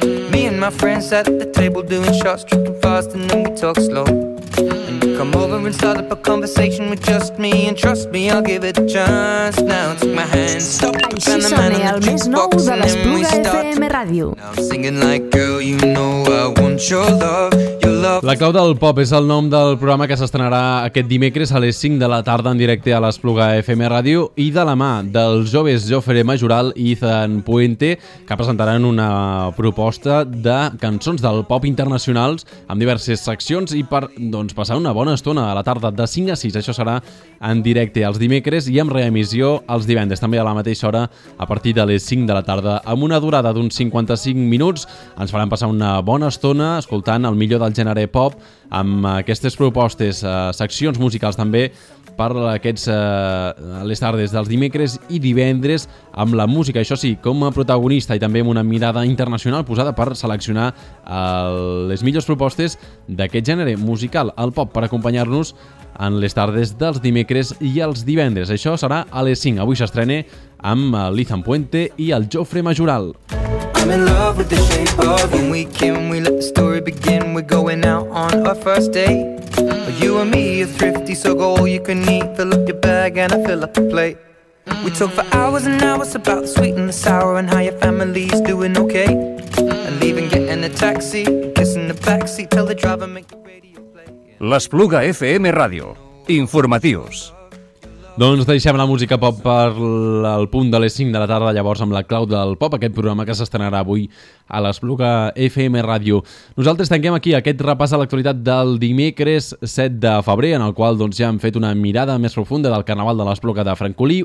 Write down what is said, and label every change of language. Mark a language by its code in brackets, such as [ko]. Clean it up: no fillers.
[en] Me and my friends at the table doing shots, tripping fast and then we talk slow. And you come over and start up a conversation with just me, and trust me, I'll give it a chance. Now take my hand, stop, and the man on the jukebox, and then we start. Now I'm singing like, girl, you know I want your love. [ca] La Clau del Pop és el nom del programa que s'estrenarà aquest dimecres a les 5 de la tarda en directe a l'Espluga FM Ràdio i de la mà dels joves Jofre Majoral i Ethan Puente, que presentaran una proposta de cançons del pop internacionals amb diverses seccions i per doncs, passar una bona estona a la tarda de 5 a 6. Això serà en directe els dimecres i amb reemissió els divendres, també a la mateixa hora a partir de les 5 de la tarda. Amb una durada d'uns 55 minuts ens faran passar una bona estona escoltant el millor del gènere pop, amb aquestes propostes, seccions musicals també per aquests les tardes dels dimecres i divendres amb la música, això sí, com a protagonista i també amb una mirada internacional posada per seleccionar les millors propostes d'aquest gènere musical, el pop, per acompanyar-nos en les tardes dels dimecres i els divendres. Això serà a les 5. Avui s'estrena amb l'Ethan Puente i el Jofre Majoral. [en] I'm in love with the shape of you. When we came, we let the story begin. We're going out on our first date. You and me are thrifty, so go all you can eat. Fill up your bag and I fill up the plate. We talk for hours and hours about the sweet and the sour and how your family's doing okay. And even getting a taxi, kissing the backseat, tell the driver make the radio play. [ca] L'Espluga FM Ràdio, informatius. Doncs deixem la música pop per al punt de les 5 de la tarda, llavors amb la clau del pop, aquest programa que s'estrenarà avui a l'Espluga FM Ràdio. Nosaltres tanquem aquí aquest repàs a l'actualitat del dimecres 7 de febrer, en el qual doncs, ja hem fet una mirada més profunda del carnaval de l'Espluga de Francolí.